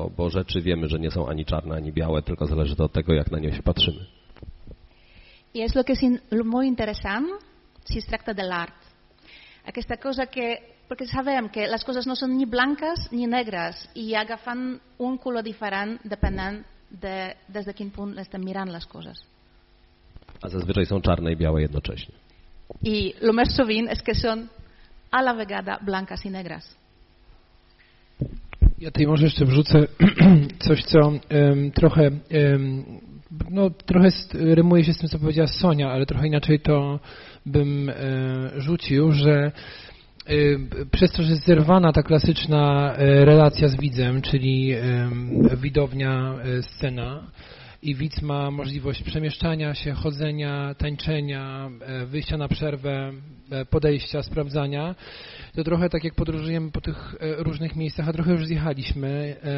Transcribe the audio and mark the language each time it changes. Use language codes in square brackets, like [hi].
[pl] Bo rzeczy wiemy, że nie są ani czarne, ani białe, tylko zależy to od tego, jak na nie się patrzymy. [ca] I és el que és molt interessant si es tracta de l'art. Aquesta cosa que, perquè sabem que les coses no són ni blanques ni negres i agafen un color diferent depenent de des de quin punt estem mirant les coses. [pl] A zazwyczaj són czarne i białe jednocześnie. [ca] I el més sovint és que són a la vegada blanques i negres. [pl] Ja tutaj może jeszcze wrzucę coś, co trochę... No, trochę rymuje się z tym, co powiedziała Sonia, ale trochę inaczej to bym rzucił, że przez to, że jest zerwana ta klasyczna relacja z widzem, czyli widownia, scena i widz ma możliwość przemieszczania się, chodzenia, tańczenia, wyjścia na przerwę, podejścia, sprawdzania, to trochę tak jak podróżujemy po tych różnych miejscach, a trochę już zjechaliśmy,